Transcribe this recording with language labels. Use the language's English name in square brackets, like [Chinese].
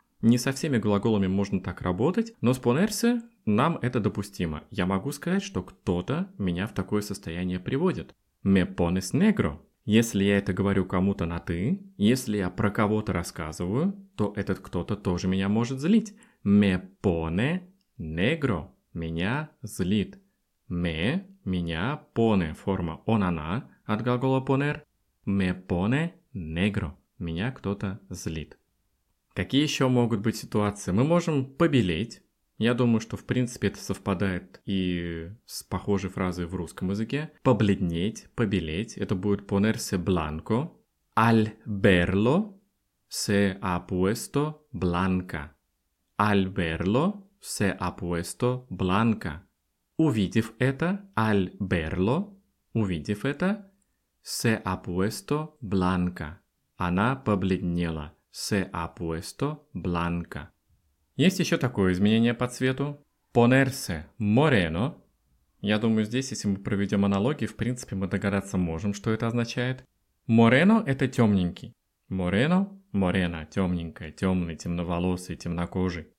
[Russian] Не со всеми глаголами можно так работать, но с ponerse нам это допустимо. Я могу сказать, что кто-то меня в такое состояние приводит. [Spanish] Me pones negro. [Russian] Если я это говорю кому-то на «ты», если я про кого-то рассказываю, то этот кто-то тоже меня может злить. [Spanish] «Me pone negro» – [Russian] «меня злит». «Me» – «меня pone» – форма «он-она» от глагола «poner». [Spanish] «Me pone negro» [Russian] – «меня кто-то злит». Какие еще могут быть ситуации? Мы можем побелеть. Я думаю, что в принципе это совпадает и с похожей фразой в русском языке. Побледнеть, побелеть. Это будет [Spanish] ponerse blanco. Al verlo se ha puesto blanca. Al verlo se ha puesto blanca. [Russian] Увидев это, [Spanish] al verlo, [Russian] увидев это, [Spanish] se ha puesto blanca. [Russian] Она побледнела. [Spanish] Se ha puesto blanca. [Russian] Есть еще такое изменение по цвету. [Spanish] Ponerse moreno. [Russian] Я думаю, здесь, если мы проведем аналогии, в принципе, мы догадаться можем, что это означает. Moreno – это темненький. Moreno – morena – темненькая, темный, темноволосый, темнокожий.